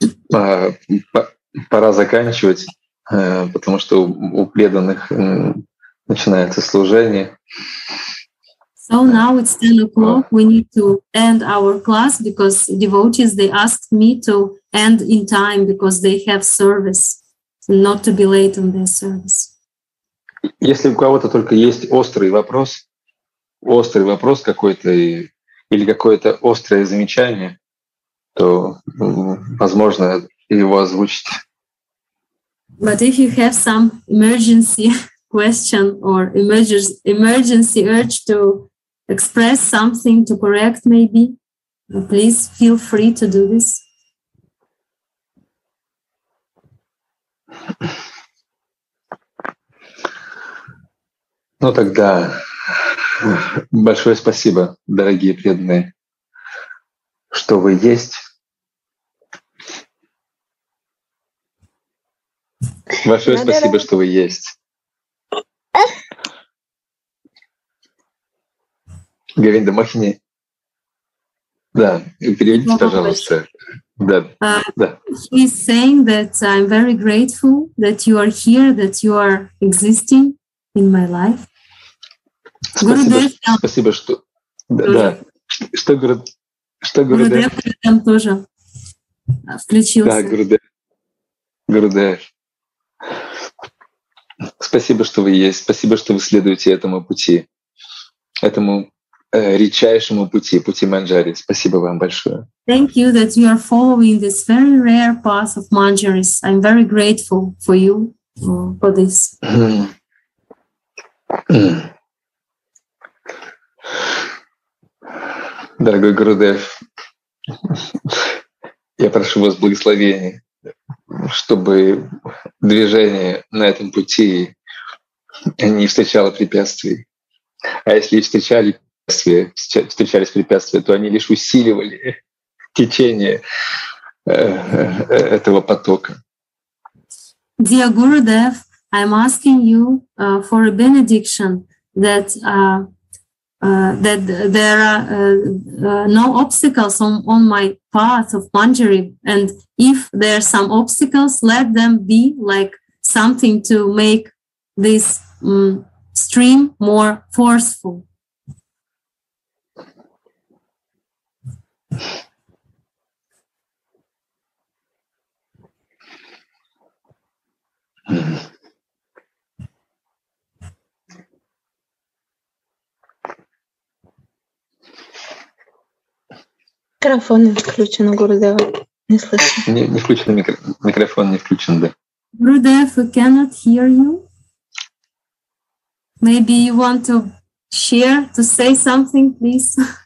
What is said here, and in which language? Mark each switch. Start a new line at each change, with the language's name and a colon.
Russian: Пора заканчивать, потому что у преданных начинается служение.
English: So now it's 10 o'clock. We need to end our class because devotees, they asked me to end in time because they have service, not to be late on their service.
Russian: Если у кого-то только есть острый вопрос какой-то или какое-то острое замечание, то возможно его озвучить.
English: But if you have some emergency question or emergency urge to express something, to correct maybe, please feel free to do this.
Russian: Ну тогда большое спасибо, дорогие преданные, что вы есть. Большое спасибо, что вы есть. Говинда Мохини. Да, переведите, пожалуйста. Да.
English: He is saying that I'm very grateful that you are here, that you are existing in my life.
Russian: Спасибо, что... Да. Что Что Гурудев там тоже включился. Да, Гурудев. Гурудев. Спасибо, что вы есть. Спасибо, что вы следуете этому пути. Этому редчайшему пути, пути Манджари. Спасибо вам большое.
English: Thank you that you are following this very rare path of Manjaris. I'm very grateful for you for this.
Russian: Дорогой Гурудев, я прошу вас благословения, чтобы движение на этом пути не встречало препятствий. А если встречались препятствия, то они лишь усиливали течение этого потока.
English: Dear Gurudev, I'm asking you for a benediction that that there are no obstacles on my path of Manjari, and if there are some obstacles, let them be like something to make this stream more forceful.
Russian: Микрофон не включен, Гурудев. Не слышно. Не включен микрофон, не включен, да.
English: Гурудев, we cannot hear you. Maybe you want to share, to say something, please.